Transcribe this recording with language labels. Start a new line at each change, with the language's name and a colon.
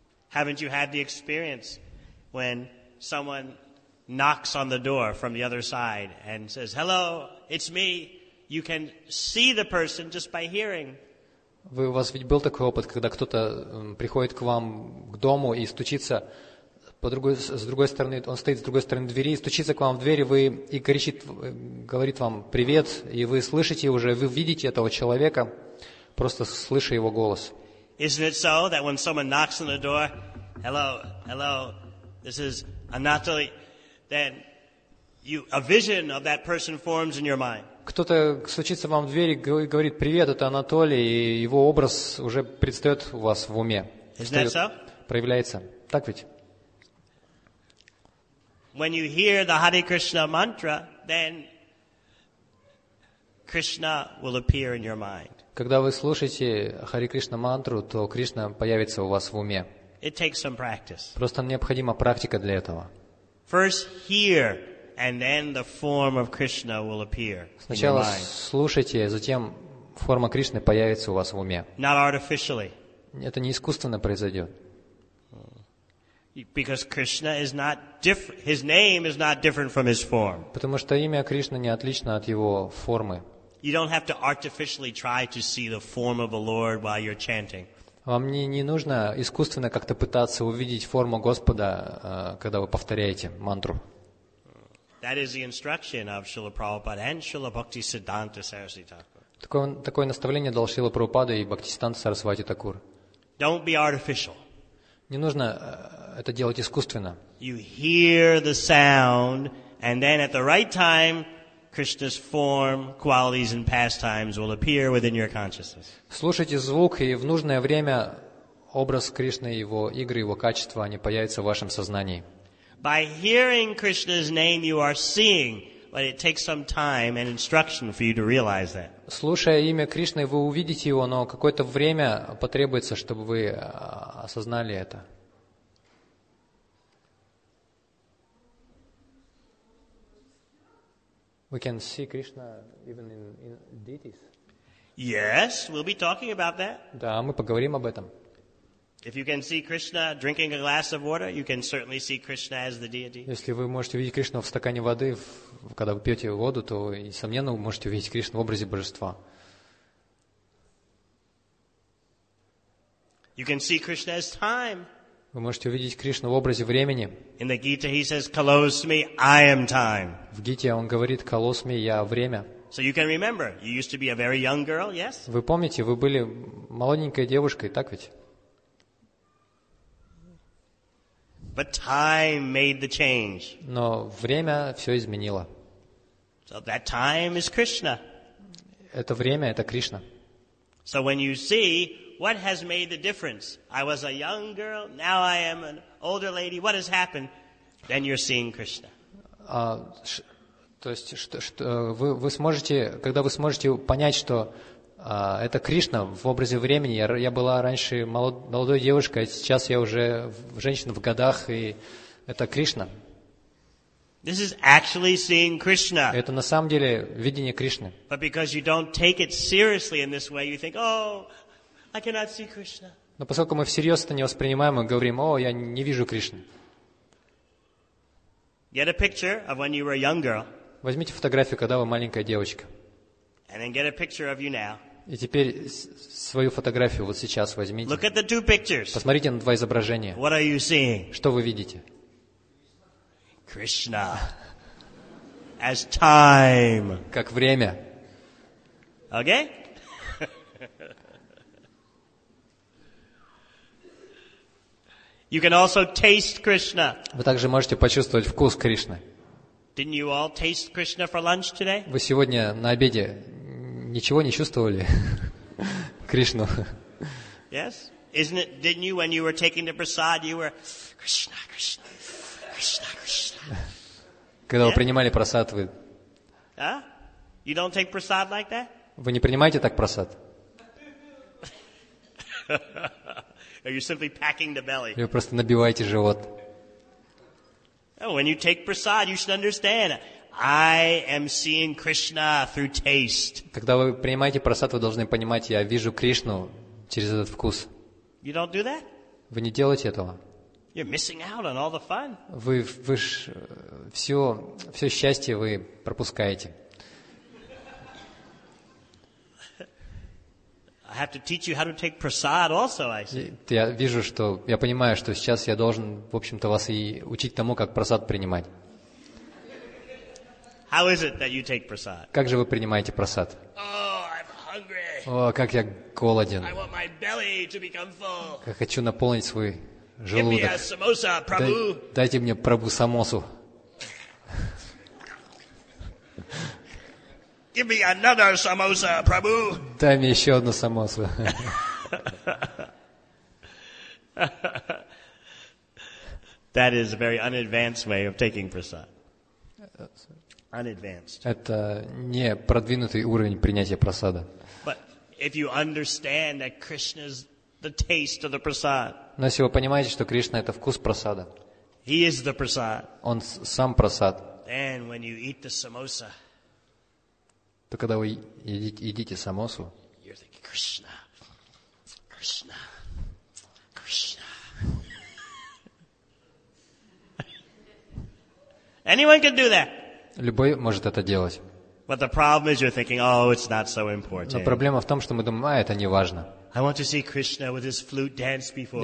English: Haven't you had the experience when someone knocks on the door from the other side and says, "Hello, it's me"? You can see the person just by hearing.
Russian: Вы, у вас ведь был такой опыт, когда кто-то приходит к вам к дому и стучится с другой стороны двери и стучится к вам в дверь, говорит вам привет, и вы слышите уже, вы видите этого человека, просто слыша его голос.
English: Isn't it so that when someone knocks on the door, "Hello, hello, this is Anatoly," then a vision of that person forms in your mind.
Russian: Кто-то стучится вам в дверь и говорит: "Привет, это Анатолий", и его образ уже предстает у вас в уме.
English: Isn't that so?
Russian: Проявляется. Так ведь?
English: When you hear the Hare Krishna mantra, then Krishna will appear in your mind.
Russian: Когда вы слушаете Hare Krishna мантру, то Кришна появится у вас в уме.
English: It takes some practice.
Russian: Просто необходима практика для этого.
English: First hear, and then the form of Krishna will appear.
Russian: Сначала слушайте, затем форма Кришны появится у вас в уме.
English: Not artificially.
Russian: Это не искусственно произойдет.
English: Because Krishna is not different. His name is not different from his form.
Russian: Потому что имя Кришны не отлично от его формы.
English: You don't have to artificially try to see the form of the Lord while you're chanting.
Russian: Вам не нужно искусственно как-то пытаться увидеть форму Господа, когда вы повторяете мантру.
English: That is the instruction of Srila Prabhupada and Srila Bhaktisiddhanta Saraswati Thakur.
Russian: Такое наставление дал Шрила Прабхупада и Бхактисиддханта Сарасвати Такур.
English: Don't be artificial.
Russian: Не нужно это делать искусственно.
English: You hear the sound, and then at the right time, Krishna's form, qualities, and pastimes will appear within your consciousness.
Russian: Слушайте звук, и в нужное время образ Кришны, его игры, его качества, они появятся в вашем сознании.
English: By hearing Krishna's name, you are seeing, but it takes some time and instruction for you to realize that.
Russian: Слушая имя Кришны, вы увидите его, но какое-то время потребуется, чтобы вы осознали это.
English: We can see Krishna even in deities. Yes, we'll be talking about that.
Russian: Да, мы поговорим об этом.
English: If you can see Krishna drinking a glass of water, you can certainly see Krishna as the deity.
Russian: Если вы можете увидеть Кришну в стакане воды, когда вы пьете воду, то, несомненно, вы можете увидеть Кришну в образе божества.
English: You can see Krishna as time.
Russian: Вы можете увидеть Кришну в образе времени.
English: In the Gita he says, "Kalosmi, I am time."
Russian: В Гите он говорит: "Kalosmi, я время."
English: So you can remember, you used to be a very young girl, yes?
Russian: Вы помните, вы были молоденькой девушкой, так ведь?
English: But time made the change.
Russian: Но время все изменило.
English: So that time is Krishna.
Russian: Это время, это Кришна.
English: So when you see what has made the difference, I was a young girl, now I am an older lady, what has happened, then you're seeing Krishna.
Russian: То есть что вы сможете, когда вы сможете понять, что это Кришна в образе времени. Я была раньше молодой девушкой, а сейчас я уже женщина в годах, и это Кришна.
English: This is actually seeing Krishna.
Russian: Это на самом деле видение Кришны.
English: But because you don't take it seriously in this way, you think, oh, I cannot see Krishna.
Russian: Но поскольку мы всерьез это не воспринимаем, мы говорим, о, я не вижу Кришны.
English: Get a picture of when you were a young girl.
Russian: Возьмите фотографию, когда вы маленькая девочка.
English: And then get a picture of you now.
Russian: И теперь свою фотографию вот сейчас возьмите.
English: Look at the two pictures.
Russian: Посмотрите на два изображения.
English: What are you seeing?
Russian: Что вы видите?
English: Krishna. As time.
Russian: Как время.
English: Okay? You can also taste Krishna.
Russian: Вы также можете почувствовать вкус Кришны.
English: Didn't you all taste Krishna for lunch today?
Russian: Вы сегодня на обеде ничего не чувствовали Кришну?
English: Yes, isn't it? Didn't you when you were taking the prasad, you were Krishna, Krishna, Krishna, Krishna.
Russian: Когда вы принимали прасад, вы?
English: Huh? You don't take prasad like that?
Russian: Вы не принимаете так прасад?
English: Are you simply packing the belly?
Russian: Вы просто набиваете живот.
English: Oh, when you take prasad, you should understand. I am seeing Krishna through taste.
Russian: Когда вы принимаете прасад, вы должны понимать, я вижу Кришну через этот вкус.
English: You don't do that?
Russian: Вы не делаете этого.
English: You're missing out on all the fun.
Russian: Вы ж все счастье вы пропускаете.
English: I have to teach you how to take prasad also, I see.
Russian: Я вижу, что я понимаю, что сейчас я должен, в общем-то, вас и учить тому, как прасад принимать.
English: How is it that you take prasad?
Russian: Как же вы принимаете прасад?
English: Oh, I'm hungry.
Russian: О, как я голоден.
English: I want my belly to become full.
Russian: Как хочу наполнить свой желудок.
English: Give me a samosa, Prabhu.
Russian: Дайте мне Прабу самосу.
English: Give me another samosa, Prabhu.
Russian: Дай мне еще одну самосу.
English: That is a very unadvanced way of taking prasad. Unadvanced.
Russian: Это не продвинутый уровень принятия прасада.
English: But if you understand that Krishna is the taste of the prasad.
Russian: Но если вы понимаете, что Кришна это вкус прасада.
English: He is the prasad.
Russian: Он сам прасад.
English: And when you eat the samosa.
Russian: То когда вы едите самосу,
English: you're thinking, Krishna, Krishna, Krishna. Anyone can do that.
Russian: Любой может это делать.
English: But the problem is you're thinking, oh, it's not so important.
Russian: Но проблема в том, что мы думаем, а это не важно.
English: I want to see Krishna with his flute dance before me.